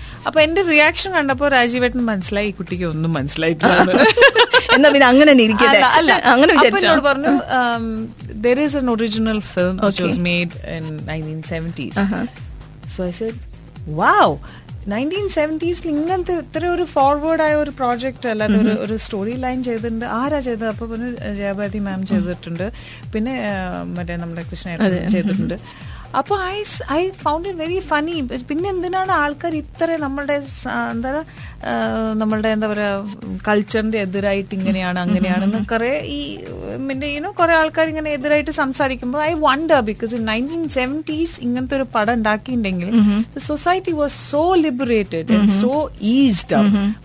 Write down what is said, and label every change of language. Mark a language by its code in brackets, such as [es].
[ml] അപ്പൊ എന്റെ റിയാക്ഷൻ കണ്ടപ്പോ രാജീവ് ഏട്ടൻ മനസ്സിലായി, ഈ കുട്ടിക്ക് ഒന്നും മനസ്സിലായിട്ടില്ല എന്നാ പിന്നെ അങ്ങനെ പറഞ്ഞു. [en] There is an original film which was made in 1970s. So I said, wow, [ml] 1970s ഇങ്ങനത്തെ ഇത്ര ഒരു ഫോർവേഡ് ആയ ഒരു പ്രോജക്റ്റ് അല്ലാതെ ഒരു സ്റ്റോറി ലൈൻ ചെയ്തിട്ടുണ്ട്, ആരാ ചെയ്തത്? അപ്പൊ പറഞ്ഞു ജയഭാരതി മാം ചെയ്തിട്ടുണ്ട്, പിന്നെ മറ്റേ നമ്മുടെ കൃഷ്ണ ചെയ്തിട്ടുണ്ട്. അപ്പൊ [en] I found it very funny. [ml] പിന്നെ എന്തിനാണ് ആൾക്കാർ ഇത്ര നമ്മളുടെ എന്താ പറയുക കൾച്ചറിന്റെ എതിരായിട്ട് ഇങ്ങനെയാണ് അങ്ങനെയാണെന്ന് കുറേ ഈ യുനോ കുറേ ആൾക്കാർ ഇങ്ങനെ എതിരായിട്ട് സംസാരിക്കുമ്പോൾ [en] I wonder, because in [ml] 1970s ഇങ്ങനത്തെ ഒരു പടം ഉണ്ടാക്കിയിട്ടുണ്ടെങ്കിൽ [en] Society was so liberated and so eased up.